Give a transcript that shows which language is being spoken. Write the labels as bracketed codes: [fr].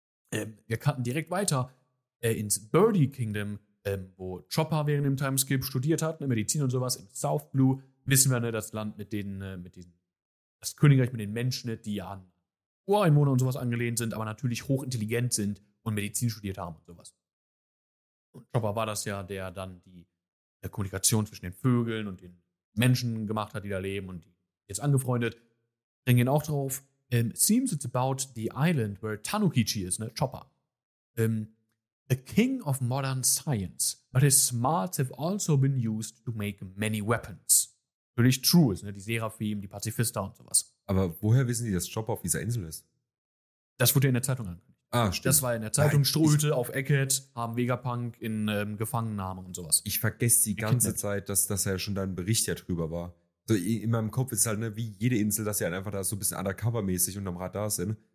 [de] Wir cutten direkt weiter ins Birdie Kingdom, wo Chopper während dem Timeskip studiert hat, ne, Medizin und sowas, im South Blue, wissen wir, ne, das Land mit das Königreich mit den Menschen, die an Ureinwohner und sowas angelehnt sind, aber natürlich hochintelligent sind und Medizin studiert haben und sowas. Und Chopper war das ja, der dann der Kommunikation zwischen den Vögeln und den Menschen gemacht hat, die da leben und die jetzt angefreundet. Bringen ihn auch drauf. [en] Seems it's about the island where Tanukichi is, ne? Chopper. A king of modern science, but his smarts have also been used to make many weapons. [de] Natürlich true ist, ne? Die Seraphim, die Pazifista und sowas. Aber woher wissen die, dass Chopper auf dieser Insel ist? Das wurde ja in der Zeitung angekündigt. Ah, stimmt. Das war in der Zeitung, Strohhüte auf Eckert, haben Vegapunk in Gefangennahme und sowas. Ich vergesse die ganze Zeit, dass er schon da ein Bericht ja drüber war. So, in meinem Kopf ist halt, ne, wie jede Insel, dass sie halt einfach da so ein bisschen undercover-mäßig unterm Radar sind.